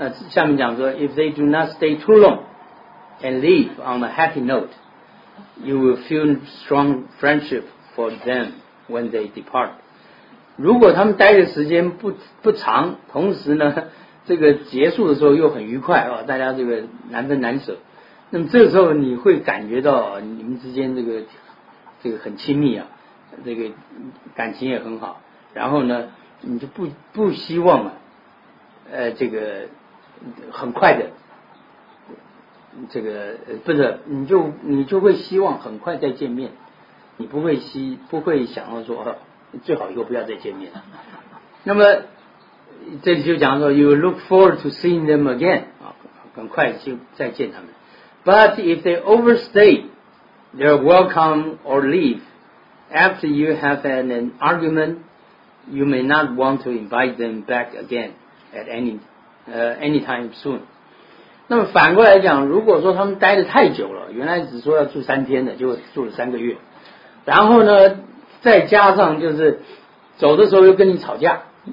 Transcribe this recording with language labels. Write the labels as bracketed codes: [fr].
[zh] 下面讲说 [en] ，if they do not stay too long and leave on a happy note， you will feel strong friendship for them when they depart。 [zh] 如果他们待的时间不长，同时呢。这个结束的时候又很愉快啊，大家这个难分难舍。那么这个时候你会感觉到你们之间这个很亲密啊，这个感情也很好。然后呢，你就不希望啊，这个很快的，这个不是你就会希望很快再见面，你不会想要说最好以后不要再见面了。那么。这里就讲说 ， [en] you look forward to seeing them again， [zh] 很快就再见他们。 [en] But if they overstay their welcome or leave after you have had an argument， you may not want to invite them back again at anytime soon。 [zh] 那么反过来讲，如果说他们待得太久了，原来只说要住三天的，就住了三个月，然后呢，再加上就是走的时候又跟你吵架。